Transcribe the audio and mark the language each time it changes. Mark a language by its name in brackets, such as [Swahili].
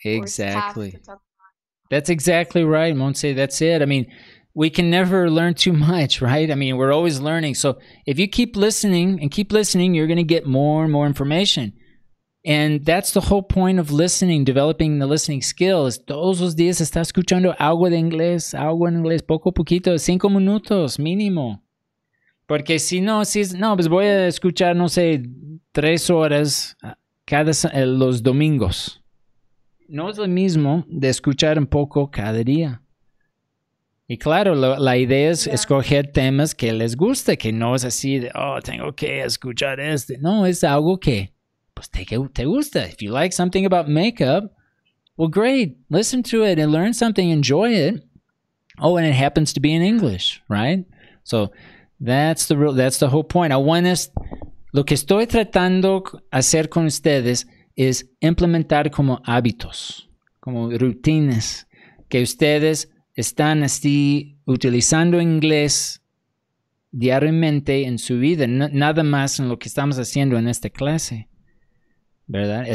[English] Exactly. That's exactly right, Monse. That's it. I mean, we can never learn too much, right? I mean, we're always learning. So if you keep listening and keep listening, you're going to get more and more information. And that's the whole point of listening, developing the listening skills. [Spanish] Todos los días está escuchando algo en inglés, poco a poquito, cinco minutos mínimo. Porque si no, si es, no, pues voy a escuchar, no sé, tres horas cada los domingos. No es lo mismo de escuchar un poco cada día. Y claro, la idea es escoger temas que les guste, que no es así de, oh, tengo que escuchar este. No, es algo que, pues, te gusta. [English] If you like something about makeup, well, great. Listen to it and learn something. Enjoy it. Oh, and it happens to be in English, right? So that's the whole point. I want us, [Spanish] lo que estoy tratando hacer con ustedes es implementar como hábitos, como rutinas que ustedes están así utilizando inglés diariamente en su vida, nada más en lo que estamos haciendo en esta clase, ¿verdad?